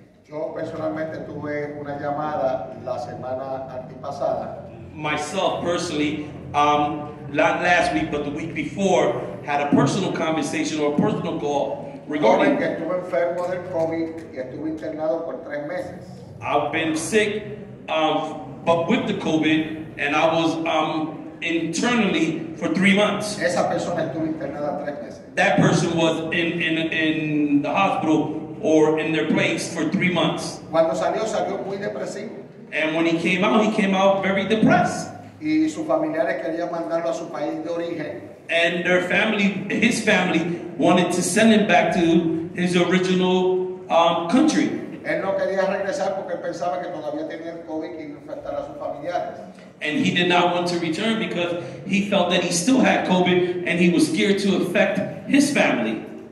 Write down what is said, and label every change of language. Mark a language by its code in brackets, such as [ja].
[es] Yo personalmente tuve una llamada la semana antepasada. [en] Myself personally, not last week but the week before, had a personal conversation or a personal call regarding. [es] Que estuve enfermo del COVID y estuve internado por 3 meses. [en] I've been sick, but with the COVID, and I was internally for 3 months. [es] Esa persona estuvo internada 3 meses. [en] That person was in the hospital or in their place for 3 months. [es] Cuando salió, salió muy depresivo. [en] And when he came out very depressed. [es] Y sus familiares querían mandarlo a su país de origen. [en] And their family, his family, wanted to send him back to his original country. [es] Él no quería regresar porque él pensaba que todavía tenía el COVID y iba a infectar a sus familiares. [en] And he did not want to return because he felt that he still had COVID and he was scared to affect his family.